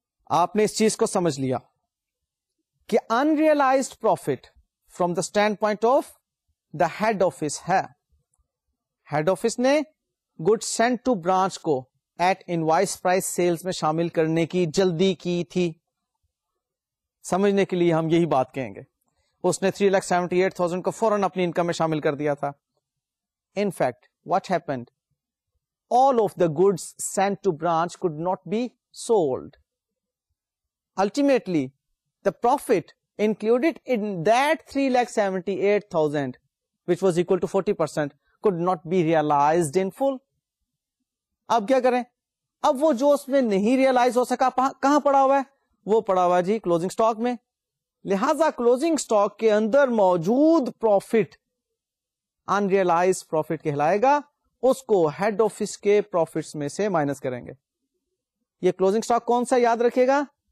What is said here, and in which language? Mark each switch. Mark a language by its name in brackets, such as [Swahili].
[Urdu] آپ نے اس چیز کو سمجھ لیا کہ انریلائزڈ profit [English] from the standpoint of the head office [Urdu] ہے. ہیڈ آفس نے [English] goods sent to branch [Urdu] کو [English] at invoice price [Urdu] سیلز میں شامل کرنے کی جلدی کی تھی. سمجھنے کے لیے ہم یہی بات کہیں گے, اس نے 3,78,000 کو فوراً اپنی انکم میں شامل کر دیا تھا. [English] In fact what happened, all of the goods sent to branch could not be sold. Ultimately, the profit included in that 3,78,000, which was equal to 40%, could not be realized in full. [Urdu] اب کیا کریں, اب وہ جو اس میں نہیں realise ہو سکا کہاں پڑا ہوا ہے, وہ پڑا ہوا جی کلوزنگ اسٹاک میں. لہذا کلوزنگ اسٹاک کے اندر موجود پروفٹ انریئلائز پروفٹ کہلائے گا, اس کو ہیڈ آفس کے پروفٹس میں سے مائنس کریں گے. یہ کلوزنگ سٹاک کون سا یاد رکھے گا,